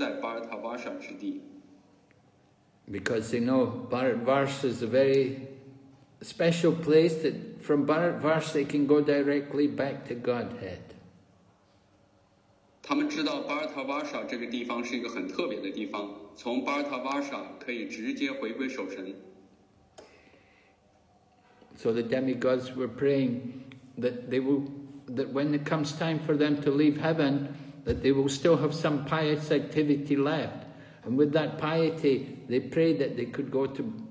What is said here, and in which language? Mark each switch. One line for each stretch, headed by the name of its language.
Chinese: 我们前面听到了对巴尔塔瓦沙的荣耀，而且也听到了那些半世人们，他们是非常想投身在巴尔塔瓦沙之地。
English: Because they know Bharatvarsha is a very special place, that from Bharatvarsha they can go directly back to Godhead.
Chinese: 他们知道巴尔塔瓦沙这个地方是一个很特别的地方，从巴尔塔瓦沙可以直接回归守神。
English: So the demigods were praying that they will, that when it comes time for them to leave heaven, that they will still have some pious activity left. And with that piety, they prayed that they could go to